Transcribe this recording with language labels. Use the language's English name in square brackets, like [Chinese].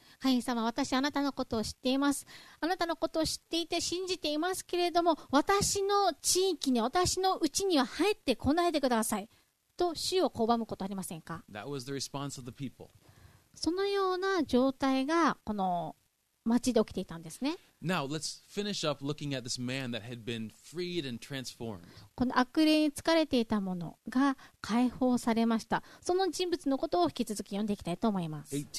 [Japanese] 神様、私あなたのことを知っています。あなたのことを知っていて信じていますけれども、私の地域に、私の家には入ってこないでください。と主を拒むことありませんか。 [English] That was the response of the people. [Japanese] そのような状態がこの町で起きていたんですね。 [English] Now, let's finish up looking at this man that had been freed and transformed. [Japanese] この悪霊に疲れていたものが解放されました。その人物のことを引き続き読んでいきたいと思います。